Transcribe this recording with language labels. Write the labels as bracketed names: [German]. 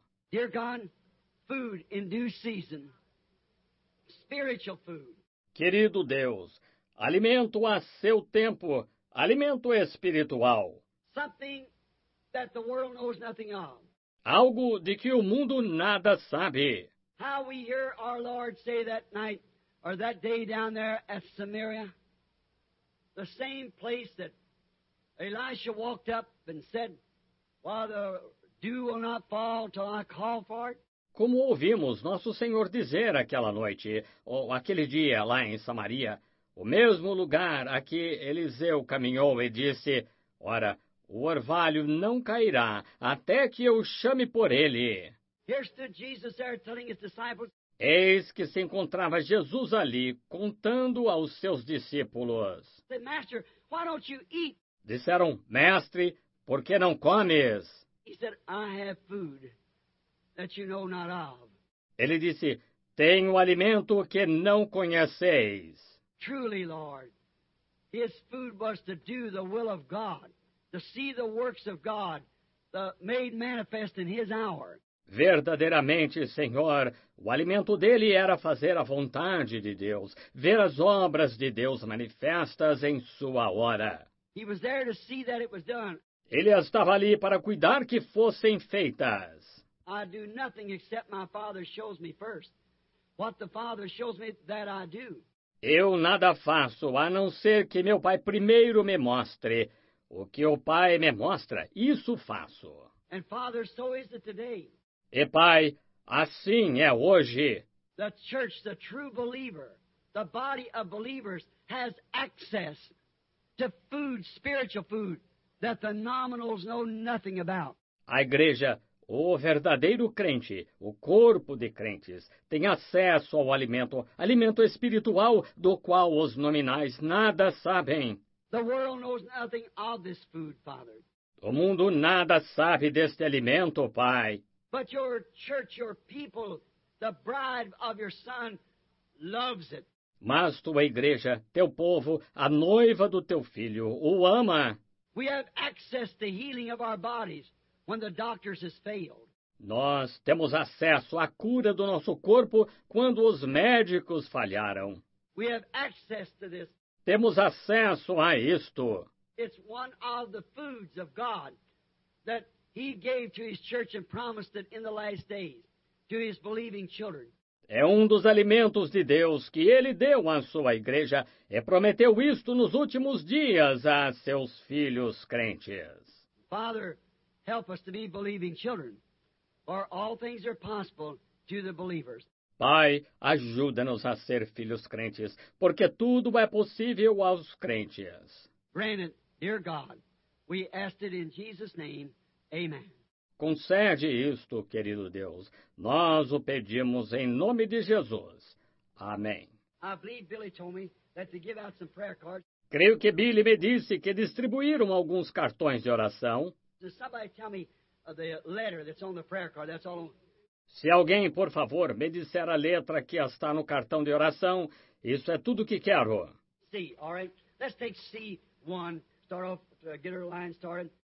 [English] Dear God, food in due season. Spiritual food. [Portuguese] Querido Deus, alimento a seu tempo, alimento espiritual. [English] Something that the world knows nothing of. [Portuguese] Algo de que o mundo nada sabe. [English] How we hear our Lord say that night or that day down there at Samaria. The same place that Elisha walked up and said, Father, dew will not fall till I call for it. [Portuguese] Como ouvimos nosso Senhor dizer aquela noite, ou aquele dia lá em Samaria, o mesmo lugar a que Eliseu caminhou e disse, ora, o orvalho não cairá até que eu chame por ele. [English] Here stood Jesus there telling his disciples. [Portuguese] Eis que se encontrava Jesus ali, contando aos seus discípulos. [English] Master, why don't you eat? [Portuguese] Disseram, Mestre, por que não comes? [English] He said, I have food that you know not of. [Portuguese] Ele disse, tenho alimento que não conheceis. [English] Truly, Lord, his food was to do the will of God, to see the works of God made manifest in his hour. [Portuguese] Verdadeiramente, Senhor, o alimento dele era fazer a vontade de Deus, ver as obras de Deus manifestas em sua hora. [English] He was there to see that it was done. [Portuguese] Ele estava ali para cuidar que fossem feitas. [English] I do nothing except my Father shows me first. What the Father shows me that I do. [Portuguese] Eu nada faço a não ser que meu Pai primeiro me mostre. O que o Pai me mostra, isso faço. [English] And Father, so is it today. [Portuguese] E, Pai, assim é hoje. [English] The church, the true believer, the body of believers has access to food, spiritual food, that the nominals know nothing about. [Portuguese] A igreja, o verdadeiro crente, o corpo de crentes, tem acesso ao alimento, alimento espiritual do qual os nominais nada sabem. [English] The world knows nothing of this food, Father. [Portuguese] O mundo nada sabe deste alimento, Pai. [English] But your church, your people, the bride of your son, loves it. [Portuguese] Mas tua igreja, teu povo, a noiva do teu filho, o ama. [English] We have access to healing of our bodies when the doctors have failed. [Portuguese] Nós temos acesso à cura do nosso corpo quando os médicos falharam. [English] We have access to this. [Portuguese] Temos acesso a isto. [English] It's one of the foods of God that he gave to his church and promised it in the last days to his believing children. [Portuguese] É um dos alimentos de Deus que ele deu à sua igreja e prometeu isto nos últimos dias a seus filhos crentes. [English] Father, help us to be believing children. For all things are possible to the believers. [Portuguese] Pai, ajuda-nos a ser filhos crentes, porque tudo é possível aos crentes. [English] Granted, dear God, we ask it in Jesus' name. Amen. [Portuguese] Concede isto, querido Deus. Nós o pedimos em nome de Jesus. Amém. [English] I believe Billy told me that to give out some prayer cards. [Portuguese] Creio que Billy me disse que distribuíram alguns cartões de oração. [English] Did somebody tell me the letter that's on the prayer card? That's all. [Portuguese] Se alguém, por favor, me disser a letra que está no cartão de oração, isso é tudo que quero. [English] C, all right. Let's take C1, start off, get our line started.